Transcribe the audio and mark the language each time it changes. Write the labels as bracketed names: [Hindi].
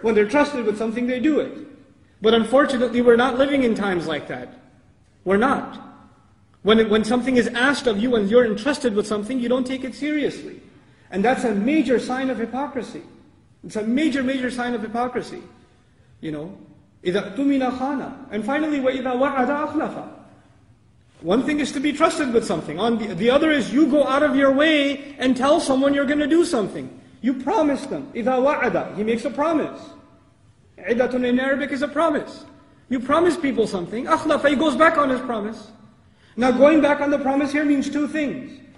[English] When they're trusted with something, they do it. But unfortunately, we're not living in times like that. We're not. When something is asked of you, and you're entrusted with something, you don't take it seriously. And that's a major sign of hypocrisy. It's a major, major sign of hypocrisy. You know? [Arabic] إِذَا تُمِنَ خَانَ. [English] And finally, [Arabic] وَإِذَا وَعَدَ أَخْلَفَ. [English] One thing is to be trusted with something. On the other is you go out of your way and tell someone you're going to do something. You promise them. [Arabic] إِذَا وَعَدَ. [English] He makes a promise. عِدَةٌ in Arabic is a promise. You promise people something. [Arabic] أَخْلَفَ. [English] He goes back on his promise. Now going back on the promise here means two things.